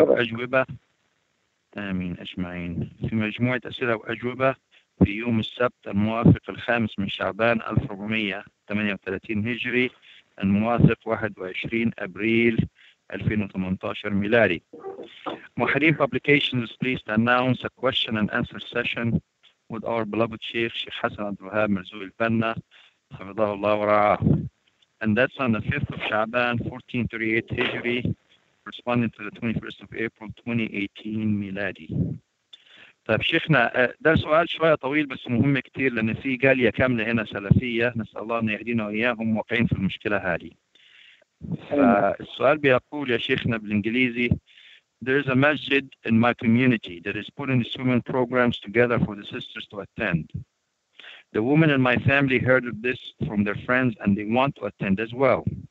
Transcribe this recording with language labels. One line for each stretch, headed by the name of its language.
Arabic: حضرتك. وأجوبة. آمين أجمعين. في مجموعة أسئلة وأجوبة في يوم السبت الموافق 5 من شعبان 1438 هجري الموافق 21 أبريل 2018 ميلادي.
English: Muhrim Publications pleased to announce a question and answer session with our beloved Sheikh, Sheikh Hassan Abdul Wahab Marzuq Al-Banna,
Arabic: حفظه الله ورعاه.
English: And that's on the 5th of Sha'ban, 1438 Hijri, corresponding to the 21st of April, 2018 ميلادي.
Arabic: طيب شيخنا، ده سؤال شوية طويل بس مهم كتير، لأن في جالية كاملة هنا سلفية، نسأل الله أن يهدينا وإياهم، واقعين في المشكلة هذه. فالسؤال بيقول يا شيخنا بالإنجليزي:
English: There is a masjid in my community that is putting the swimming programs together for the sisters to attend. The women in my family heard of this from their friends and they want to attend as well.